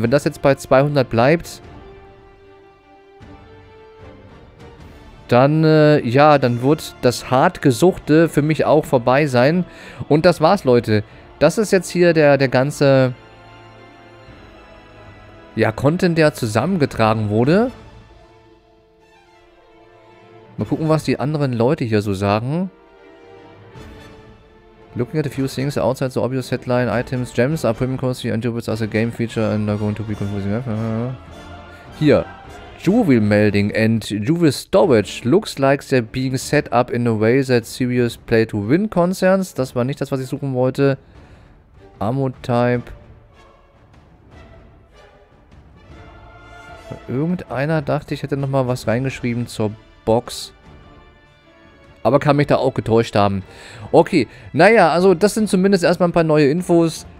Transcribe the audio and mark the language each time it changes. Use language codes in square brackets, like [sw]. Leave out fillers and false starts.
[de] Wenn das jetzt bei 200 bleibt, dann, ja, dann wird das hart Gesuchte für mich auch vorbei sein. Und das war's, Leute. Das ist jetzt hier der ganze, ja, Content, der zusammengetragen wurde. Mal gucken, was die anderen Leute hier so sagen. [en] Looking at a few things outside the obvious headline items, gems are premium currency and jewels as a game feature and they're going to be confusing. Hier. Jewel melding and jewel storage looks like they're being set up in a way that serious play to win concerns. [de] Das war nicht das, was ich suchen wollte. Ammo type. Irgendeiner dachte, ich hätte nochmal was reingeschrieben zur Box. Aber kann mich da auch getäuscht haben. Okay, naja, also das sind zumindest erstmal ein paar neue Infos.